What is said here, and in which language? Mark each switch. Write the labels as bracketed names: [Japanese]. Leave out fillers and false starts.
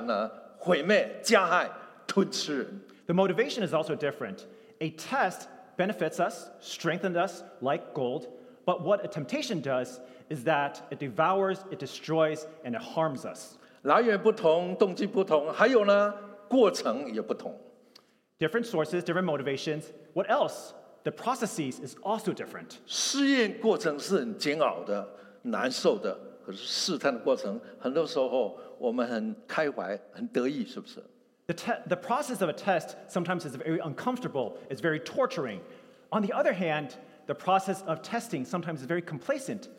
[Chinese] 试验是要我们得益处，变得更坚强，更成为所谓的精金。试探呢，毁灭、加害、吞吃人。 [English] The motivation is also different. A test benefits us, strengthens us like gold, but what a temptation does is that it devours, it destroys, and it harms us. [Chinese] 来源不同，动机不同，还有呢，过程也不同。 [English] Different sources, different motivations. What else? The processes is also different. [Chinese] 试验过程是很煎熬的，难受的。可是试探的过程，很多时候我们很开怀，很得意，是不是？ [English] The process of a test sometimes is very uncomfortable. It's very torturing. On the other hand, the process of testing sometimes is very complacent.